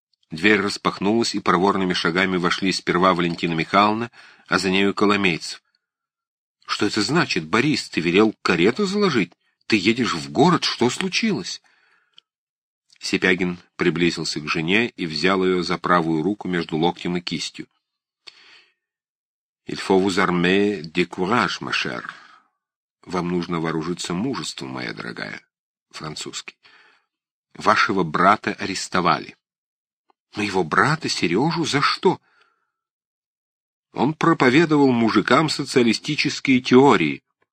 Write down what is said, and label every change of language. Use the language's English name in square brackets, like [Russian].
[Russian] Дверь распахнулась, и проворными шагами вошли сперва Валентина Михайловна, а за нею Коломейцев. «Что это значит, Борис? Ты велел карету заложить? Ты едешь в город? Что случилось?» Сипягин приблизился к жене и взял ее за правую руку между локтем и кистью. [French] «Il faut vous armer de courage, ma chère». [Russian] «Вам нужно вооружиться мужеством, моя дорогая», — французский. «Вашего брата арестовали». «Моего брата, Сережу, за что?» «Он проповедовал мужикам социалистические теории».